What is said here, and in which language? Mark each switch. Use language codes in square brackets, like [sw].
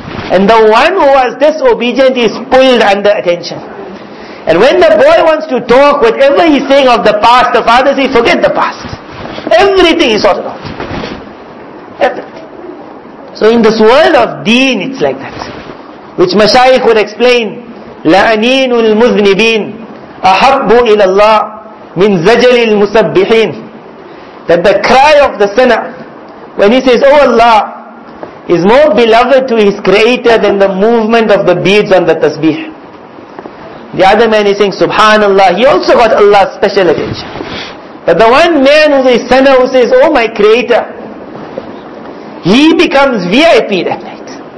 [en] And the one who was disobedient is pulled under attention. And when the boy wants to talk, whatever he's saying of the past, the father says, forget the past. Everything is sorted out. Everything. So in this world of deen, it's like that. Which Mashaykh would explain, [ar] لَعَنِينُ الْمُذْنِبِينَ أَحَبُّ إِلَى اللَّهِ مِنْ زَجَلِ الْمُسَبِّحِينَ. [en] That the cry of the sinner, when he says, oh Allah, is more beloved to his creator than the movement of the beads on the tasbih. The other man is saying, Subhanallah, he also got Allah's special attention. But the one man who is a sinner who says, oh my creator, he becomes VIP that night.